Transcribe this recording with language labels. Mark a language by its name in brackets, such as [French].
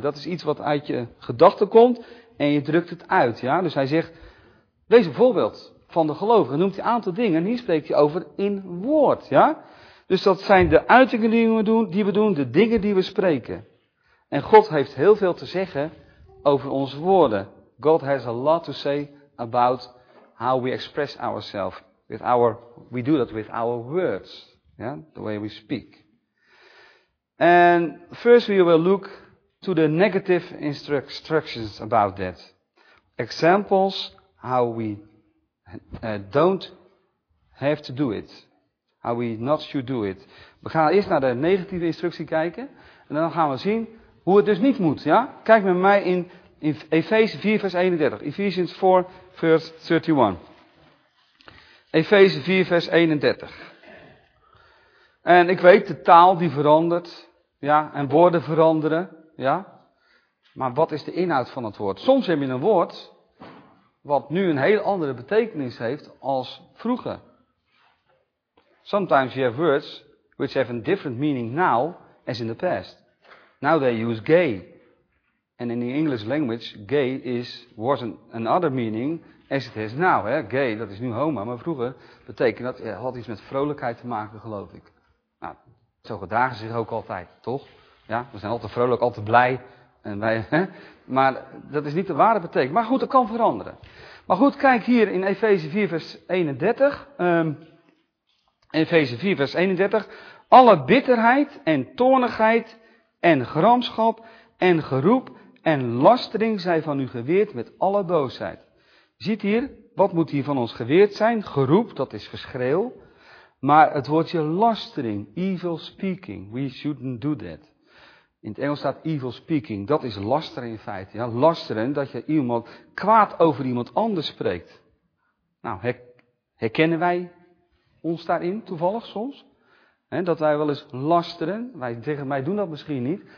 [Dutch] Dat is iets wat uit je gedachten komt. En je drukt het uit, ja. Dus hij zegt, wees een voorbeeld van de gelovigen. Dan noemt hij een aantal dingen en hier spreekt hij over in woord, ja. Dus dat zijn de uitingen die we doen, de dingen die we spreken. En God heeft heel veel te zeggen over onze woorden. [English] God has a lot to say about how we express ourselves. We do that with our words, yeah? The way we speak. And first we will look to the negative instructions about that. Examples how we don't have to do it. How we not should do it. [Dutch] We gaan eerst naar de negatieve instructie kijken. En dan gaan we zien hoe het dus niet moet. Ja? Kijk met mij in Efeziërs 4 vers 31. Ephesians 4 vers 31. Efeziërs 4 vers 31. En ik weet, de taal die verandert. Ja, en woorden veranderen. Ja, maar wat is de inhoud van het woord? Soms heb je een woord wat nu een heel andere betekenis heeft als vroeger. [English] Sometimes you have words which have a different meaning now as in the past. Now they use gay. And in the English language, gay is was another meaning as it is now. [Dutch] Hè? Gay, dat is nu homo, maar vroeger betekent dat, ja, had iets met vrolijkheid te maken, geloof ik. Nou, zo gedragen ze zich ook altijd, toch? Ja, we zijn altijd vrolijk, altijd blij. En wij, hè? Maar dat is niet de ware betekenis. Maar goed, dat kan veranderen. Maar goed, kijk hier in Efeze 4 vers 31. Efeze 4 vers 31. Alle bitterheid en toornigheid en gramschap en geroep en lastering zij van u geweerd met alle boosheid. Ziet hier, wat moet hier van ons geweerd zijn? Geroep, dat is geschreeuw. Maar het woordje lastering, [English] evil speaking, we shouldn't do that. [Dutch] In het Engels staat evil speaking, dat is lasteren in feite. Ja, lasteren, dat je iemand kwaad over iemand anders spreekt. Nou, herkennen wij ons daarin toevallig soms? He, dat wij wel eens lasteren, wij zeggen, wij doen dat misschien niet.